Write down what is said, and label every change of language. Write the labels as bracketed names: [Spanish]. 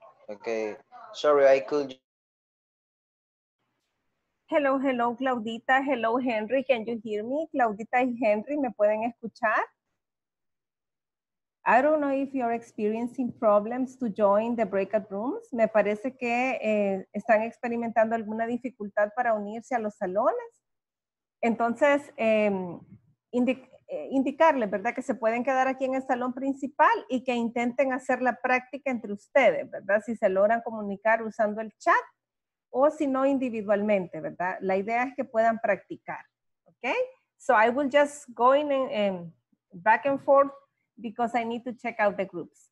[English] Okay, sorry, I could. Hello, hello, Claudita. Hello, Henry. Can you hear me? [Spanish] Claudita y Henry, ¿me pueden escuchar? [English] I don't know if you're experiencing problems to join the breakout rooms. [Spanish] Me parece que están experimentando alguna dificultad para unirse a los salones. Entonces, indicarles, ¿verdad? Que se pueden quedar aquí en el salón principal y que intenten hacer la práctica entre ustedes, ¿verdad? Si se logran comunicar usando el chat o si no individualmente, ¿verdad? La idea es que puedan practicar, ¿ok? [English] So I will just go in and, back and forth because I need to check out the groups.